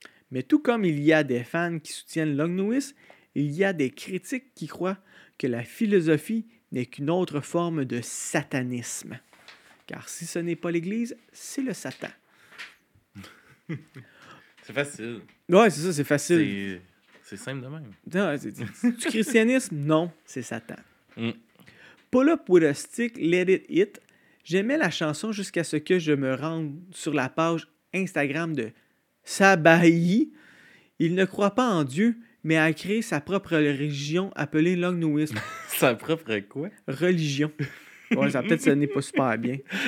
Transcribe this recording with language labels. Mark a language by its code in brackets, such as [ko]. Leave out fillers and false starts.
[fr] Mais tout comme il y a des fans qui soutiennent l'ungnoïs, il y a des critiques qui croient que la philosophie n'est qu'une autre forme de satanisme. Car si ce n'est pas l'Église, c'est le Satan. C'est facile. Ouais, c'est ça, c'est facile. C'est simple de même. Du christianisme, non, c'est Satan. Mm. [en] Pull up with a stick, let it hit. [fr] J'aimais la chanson jusqu'à ce que je me rende sur la page Instagram de Sabahi. Il ne croit pas en Dieu, mais a créé sa propre religion appelée l'ungnoïsme. Sa propre quoi? Religion. Ouais, ça peut-être ça n'est pas super bien.